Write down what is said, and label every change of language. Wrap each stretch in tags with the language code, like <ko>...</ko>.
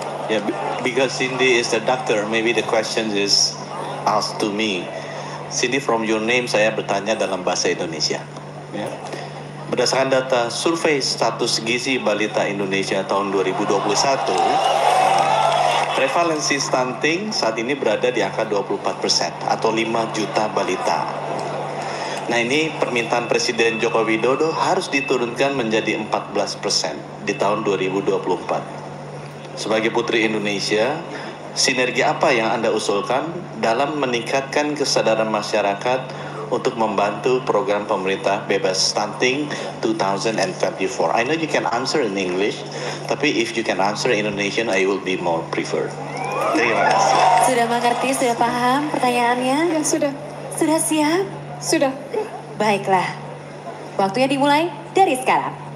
<en>Yeah, because Cindy is the doctor, maybe the question is asked to me.</en> <id>Cindy,</id> <en>from your name,</en> <id>saya bertanya dalam bahasa Indonesia. Yeah. Berdasarkan data survei status gizi balita Indonesia tahun 2021, prevalensi stunting saat ini berada di angka 24% atau 5 juta balita. Nah, ini permintaan Presiden Joko Widodo harus diturunkan menjadi 14% di tahun 2024. Sebagai Putri Indonesia, sinergi apa yang Anda usulkan dalam meningkatkan kesadaran masyarakat untuk membantu program pemerintah bebas stunting 2024?</id> <en>I know you can answer in English, tapi if you can answer in Indonesian, I will be more prefer.</en> <id>Terima kasih. Sudah mengerti, sudah paham pertanyaannya? Ya, sudah. Sudah siap? Sudah. Baiklah, waktunya dimulai dari sekarang.</id>